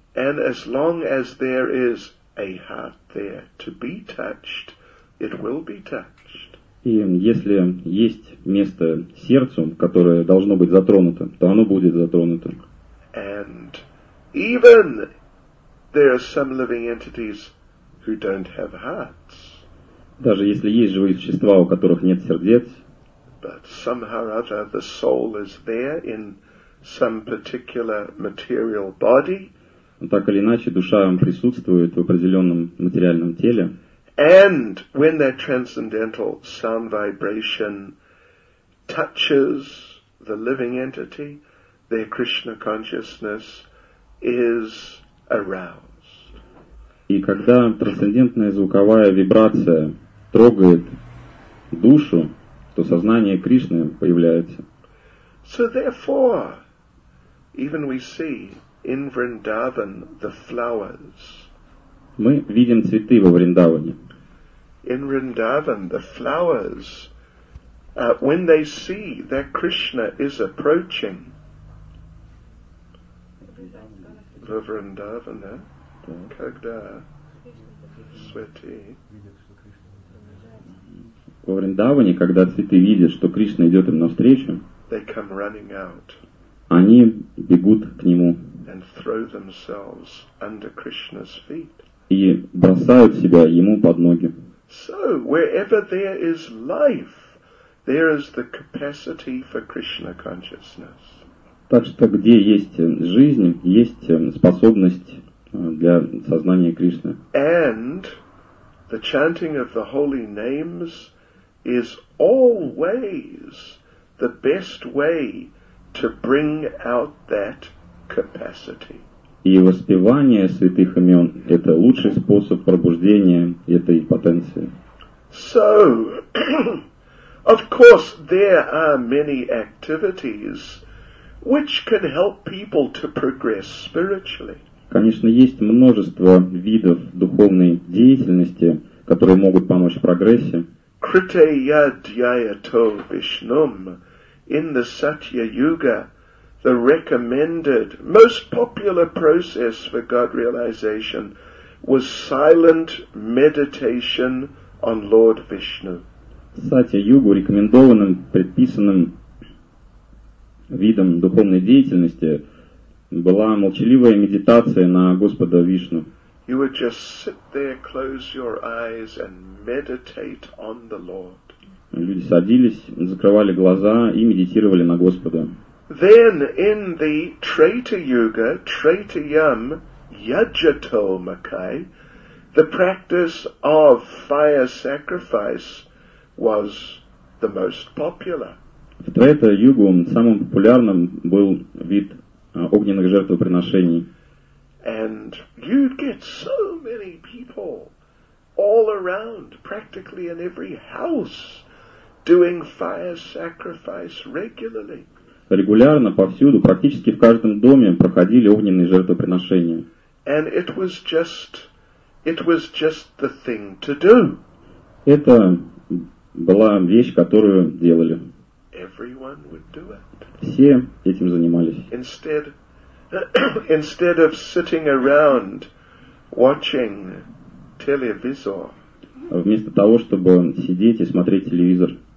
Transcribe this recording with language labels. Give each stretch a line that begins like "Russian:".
English: And as long as there is a heart there to be touched, it will be touched.
Russian: И если есть место сердцу, которое должно быть затронуто, то оно будет затронуто.
English: And even there are some living entities who don't have hearts.
Russian: Даже если есть живые существа, у которых нет сердец,
English: but somehow or other the soul is there in some particular material body.
Russian: Так или иначе, душа присутствует в определенном материальном теле.
English: And when that transcendental sound vibration touches the living entity, their Krishna consciousness, is aroused.
Russian: И когда трансцендентная звуковая вибрация трогает душу, то сознание Кришны появляется.
English: So therefore, even we see in Vrindavan the flowers.
Russian: Мы видим цветы во Вриндаване.
English: In Vrindavan, the flowers, when they see that Krishna is approaching,
Russian: во Вриндаване, когда цветы, во Вриндаване, когда цветы видят, что Кришна идет им навстречу,
English: they come running out.
Russian: Они бегут к нему.
English: And throw themselves under Krishna's feet.
Russian: И бросают себя ему под ноги.
English: So, wherever there is life, there is the capacity for Krishna consciousness.
Russian: Так что где есть жизнь, есть способность для сознания Кришны.
English: And the chanting of the holy names is always the best way to bring out that capacity.
Russian: И воспевание святых имен – это лучший способ пробуждения этой потенции.
English: So, of course, there are many activities which can help people to progress spiritually.
Russian: Конечно, есть множество видов духовной деятельности, которые могут помочь в прогрессе.
Sanskrit: Kriteya Dhyayato Vishnum
English: in the Satya Yuga. The recommended, most popular process for God realization was silent meditation on Lord Vishnu.
Russian: Сатья-йогу рекомендованным, предписанным видом духовной деятельности была молчаливая медитация на Господа Вишну.
English: You would just sit there, close your eyes and meditate on the Lord.
Russian: Люди садились, закрывали глаза и медитировали на Господа.
English: Then in the Treta Yuga,
Sanskrit: Tretayam Yajatomakai,
English: the practice of fire sacrifice was the most popular.
Russian: В Трета-югу самым популярным был вид огненных жертвоприношений.
English: And you'd get so many people all around, practically in every house, doing fire sacrifice regularly.
Russian: Регулярно, повсюду, практически в каждом доме проходили огненные жертвоприношения.
English: And it was just the thing to do.
Russian: Это была вещь, которую делали.
English: Everyone would do it.
Russian: Все этим занимались.
English: Instead of sitting around watching televisor.
Russian: Вместо того, чтобы сидеть и смотреть телевизор.